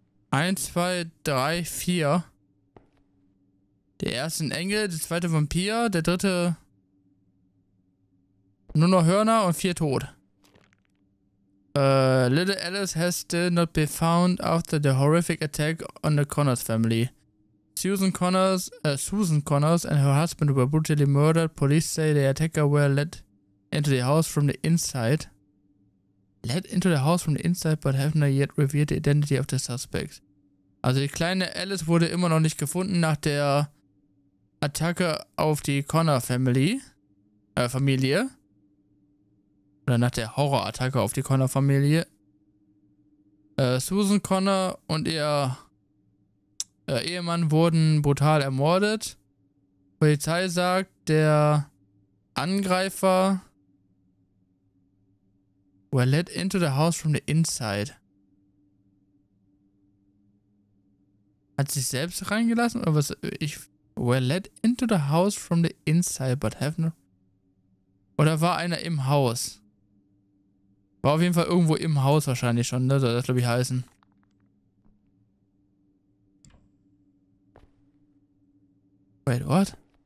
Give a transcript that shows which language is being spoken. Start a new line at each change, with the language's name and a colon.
German: Eins, zwei, drei, vier. Der erste ein Engel, der zweite Vampir, der dritte nur noch Hörner und vier tot.
English: Little Alice has still not been found after the horrific attack on the Connors family. Susan Connors and her husband were brutally murdered. Police say the attacker were led into the house from the inside. Led into the house from the inside, but have not yet revealed the identity of the suspect.
German: Also die kleine Alice wurde immer noch nicht gefunden nach der Attacke auf die Connor Family. Familie. Oder nach der Horrorattacke auf die Connor Familie. Susan Connor und ihr Ehemann wurden brutal ermordet. Polizei sagt, der Angreifer
English: were led into the house from the inside.
German: Hat sich selbst reingelassen oder was? Ich
English: were led into the house from the inside, but have not.
German: Oder war einer im Haus? War auf jeden Fall irgendwo im Haus wahrscheinlich schon, ne? Soll das glaube ich heißen.
English: Wait, what?